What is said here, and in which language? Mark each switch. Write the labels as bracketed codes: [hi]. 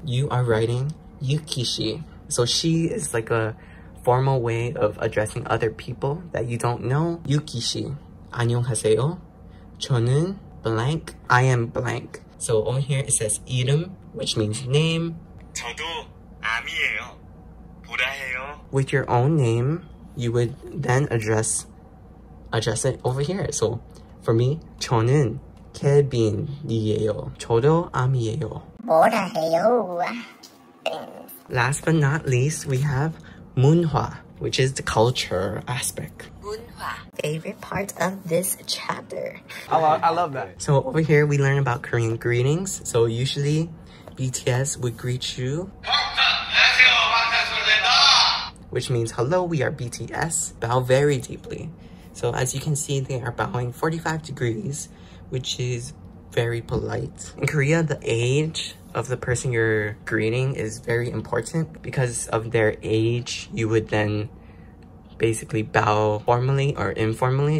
[en] You are writing Yuki-shi. So she is like a formal way of addressing other people that you don't know. Yuki-shi. [ko] 안녕하세요. [en] 저는 blank. I am blank. So over here it says 이름, which means name. [ko] 저도 아미예요. 보라예요. [en] With your own name, you would then address it over here. So for me, [ko] 저는 케빈이에요. 저도 아미예요. 뭐라 해요? [en] Last but not least, we have 문화, which is the culture aspect. [ko] 문화. [en] Favorite part of this chapter. I love that. So over here, we learn about Korean greetings. So usually, BTS would greet you. [ko] 안녕하세요, 반갑습니다. [en] Which means, hello, we are BTS. Bow very deeply. So as you can see, they are bowing 45 degrees, which is very polite. In Korea, the age of the person you're greeting is very important. Because of their age, you would then basically bow formally or informally.